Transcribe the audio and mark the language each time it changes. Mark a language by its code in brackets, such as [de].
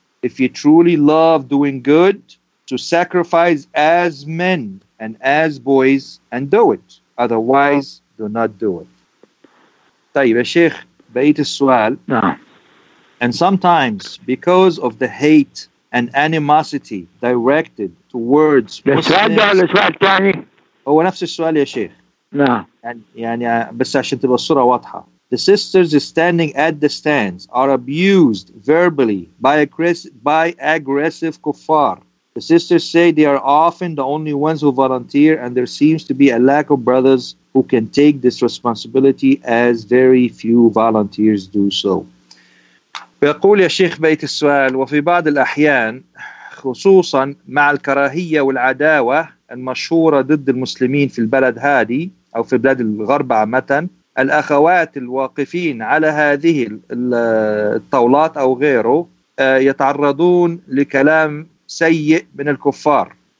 [en] If you truly love doing good, to sacrifice as men, and as boys, and do it. Otherwise, do not do it. [ar] طيب يا شيخ بقيت السؤال. [en] And sometimes, because of the hate and animosity directed towards Muslims. [ar] هو نفس السؤال يا شيخ. يعني بس عشان تبقى الصورة واضحة. [en] The sisters standing at the stands are abused verbally by aggressive kuffar. The sisters say they are often the only ones who volunteer and there seems to be a lack of brothers who can take this responsibility as very few volunteers do so. [ar] بيقول يا شيخ بيت السؤال وفي بعض الأحيان خصوصا مع الكراهية والعداوة المشهورة ضد المسلمين في البلد هذه أو في بلاد الغرب عامة الأخوات الواقفين على هذه الطاولات أو غيره يتعرضون لكلام سيء من الكفار